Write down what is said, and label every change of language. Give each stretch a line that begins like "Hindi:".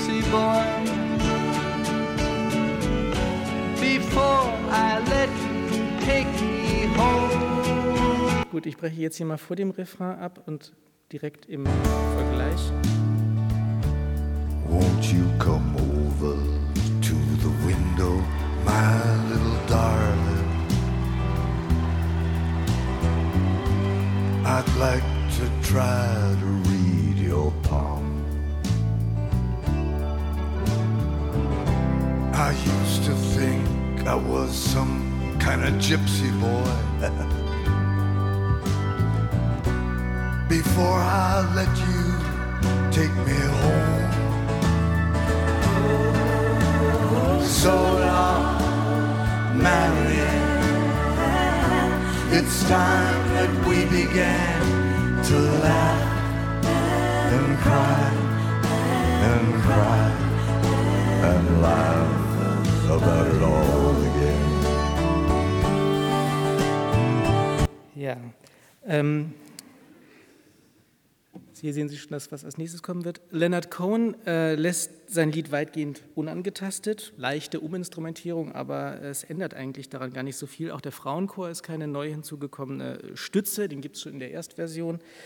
English: born. Before I let you take me home.
German: Gut, ich breche jetzt hier mal vor dem Refrain ab und direkt im Vergleich.
English: Won't you come over to the window, my little darling? I'd like to try to read your palm. I used to think I was some kind of gypsy boy. Before I let you take me home. So long, Marianne. It's time that we began to laugh and cry and cry and laugh about it all again. Yeah.
German: Hier sehen Sie schon das, was als nächstes kommen wird. Leonard Cohen lässt sein Lied weitgehend unangetastet. Leichte Uminstrumentierung, aber es ändert eigentlich daran gar nicht so viel. Auch der Frauenchor ist keine neu hinzugekommene Stütze. Den gibt es schon in der Erstversion.